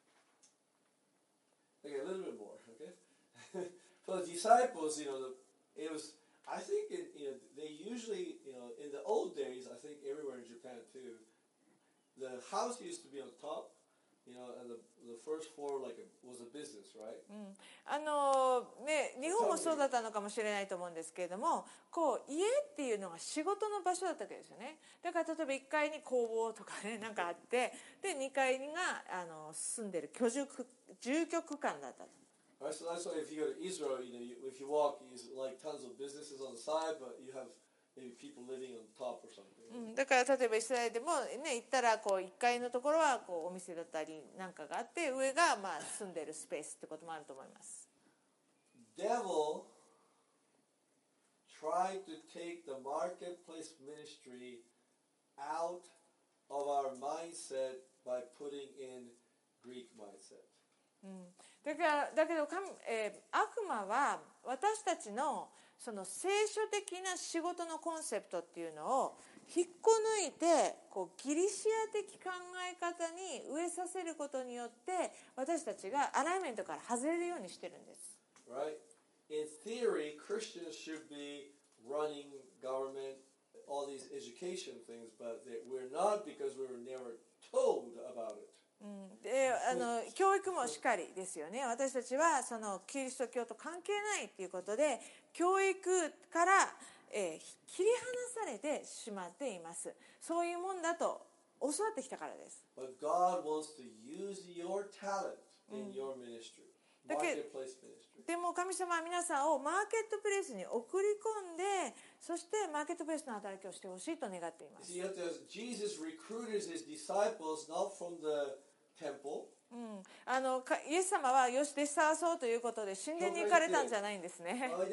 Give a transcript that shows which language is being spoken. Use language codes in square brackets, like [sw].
[en] Time. Okay, a little bit more. Okay. For the disciples, you know, it was, I think, it, you know, they usually, you know, in the old days, I think everywhere in Japan too, the house used to be on top, you know, and the first floor, like, was a business, right? [ja] あのね、日本もそうだったのかもしれないと思うんですけれども、こう、家っていうのが仕事の場所だったわけですよね。だから例えば1階に工房とかね、なんかあって、で、2階があの住んでる居住、住居区間だったと。 [en] Right, so that's why if you go to Israel, you know, if you walk, there's like tons of businesses on the side, but you have maybe people living on top or something. [ja] だから例えばイスラエルでもね、行ったらこう1階のところはこうお店だったりなんかがあって、上がまあ住んでるスペースってこともあると思います。 [en] Devil tried to take the marketplace ministry out of our mindset by putting in Greek mindset. [ja] だけど神、悪魔は私たち その聖書的な仕事のコンセプトっていうのを引っこ抜いて、こうギリシア的考え方に植えさせることによって、私たちがアライメントから外れるようにしてるんです。 [en] Right? In theory, Christians should be running government, all these education things, but we're not because we were never told about it. [ja] であの教育もしっかりですよね。私たちはそのキリスト教と関係ないということで、教育から、切り離されてしまっています。そういうもんだと教わってきたからです。 [en] But God wants to use your talent in your ministry, marketplace ministry. [ja] でも神様は皆さんをマーケットプレイスに送り込んで、そしてマーケットプレイスの働きをしてほしいと願っています。 [en] Jesus recruited his disciples not from the [ja] イエス様はよし弟子探そうということで神殿に行かれたんじゃないんですね。